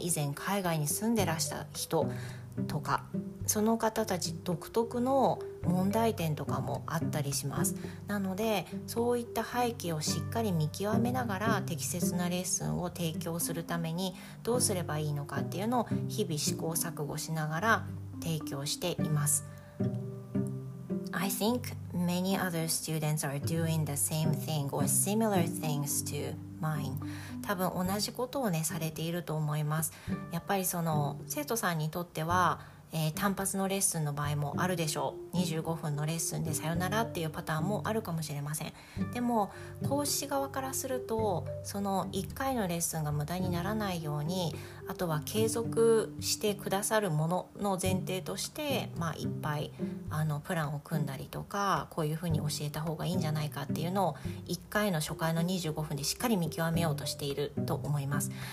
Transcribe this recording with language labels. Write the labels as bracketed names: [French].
[Japanese] 以前海外に住んでらした人とか、その方たち独特の問題点とかもあったりします。なのでそういった背景をしっかり見極めながら適切なレッスンを提供するためにどうすればいいのかっていうのを日々試行錯誤しながら提供しています。 [English] I think many other students are doing the same thing or similar things to mine. [Japanese] 多分同じことをねされていると思います。やっぱりその生徒さんにとっては、単発のレッスンの場合もあるでしょう。 25分のレッスンでさよならっていうパターンもあるかもしれません。でも講師側からすると、その1回のレッスンが無駄にならないように、あとは継続してくださるものの前提として、まあ、いっぱいあのプランを組んだりとか、こういうふうに教えた方がいいんじゃないかっていうのを1回の初回の25分でしっかり見極めようとしていると思います。